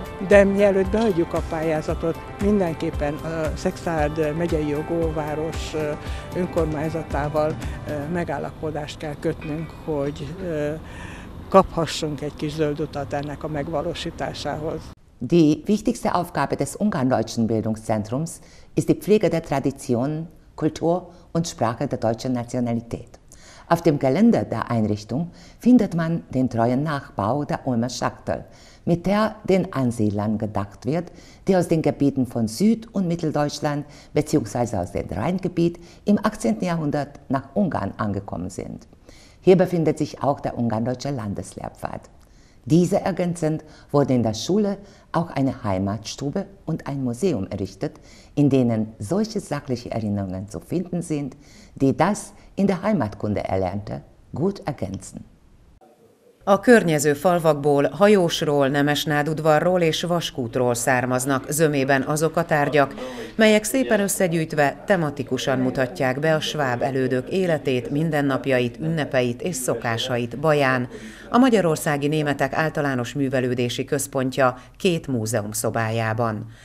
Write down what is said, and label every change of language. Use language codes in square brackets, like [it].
[hu] De mielőtt beadjuk a pályázatot, mindenképpen a Szekszárd megyei jogóváros önkormányzatával megállapodást kell kötnünk, hogy kaphassunk egy kis zöld utat ennek a megvalósításához. [de] Die wichtigste Aufgabe des Ungarn-Deutschen Bildungszentrums ist die Pflege der Tradition, Kultur und Sprache der deutschen Nationalität. Auf dem Gelände der Einrichtung findet man den treuen Nachbau der Ulmer Schachtel, mit der den Ansiedlern gedacht wird, die aus den Gebieten von Süd- und Mitteldeutschland bzw. aus dem Rheingebiet im 18. Jahrhundert nach Ungarn angekommen sind. Hier befindet sich auch der ungarn-deutsche Landeslehrpfad. Diese ergänzend wurde in der Schule auch eine Heimatstube und ein Museum errichtet, in denen solche sachliche Erinnerungen zu finden sind, die das in der Heimatkunde erlernte gut ergänzen. [hu] A környező falvakból, Hajósról, Nemesnádudvarról és Vaskútról származnak zömében azok a tárgyak, melyek szépen összegyűjtve tematikusan mutatják be a sváb elődök életét, mindennapjait, ünnepeit és szokásait Baján, a Magyarországi Németek Általános Művelődési Központja két múzeum szobájában.